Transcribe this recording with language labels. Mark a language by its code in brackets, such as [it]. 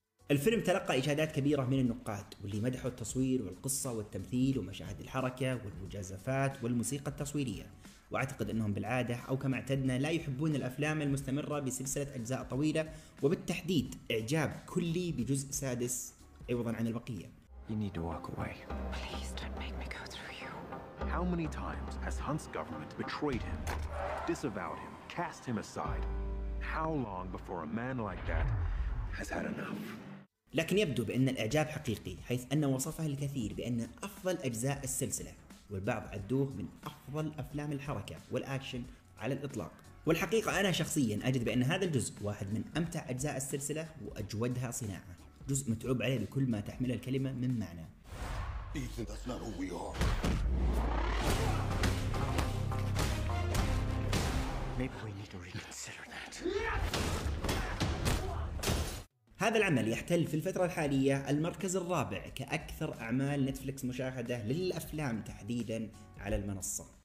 [ar] الفيلم تلقى إشادات كبيرة من النقاد واللي مدحوا التصوير والقصة والتمثيل ومشاهد الحركة والمجازفات والموسيقى التصويرية، وأعتقد أنهم بالعادة أو كما اعتدنا لا يحبون الأفلام المستمرة بسلسلة أجزاء طويلة، وبالتحديد إعجاب كلي بجزء سادس عوضا عن البقية. [en] You need to walk away. Please don't make me go through you. How many times has Hunt's government betrayed him, disavowed him, cast him aside? How long before a man like that has had enough? [ar] لكن يبدو بأن الإعجاب حقيقي، حيث أن وصفه الكثير بأن أفضل أجزاء السلسلة، والبعض عدوه من أفضل أفلام الحركة والأكشن على الإطلاق. والحقيقة أنا شخصيا أجد بأن هذا الجزء واحد من أمتع أجزاء السلسلة وأجودها صناعة، جزء متعوب عليه بكل ما تحمل الكلمة من معنى. [en] Ethan, that's not who we are. Maybe we need to reconsider that. [ar] هذا العمل يحتل في الفترة الحالية المركز الرابع كأكثر أعمال نتفليكس مشاهدة للأفلام تحديدا على المنصة.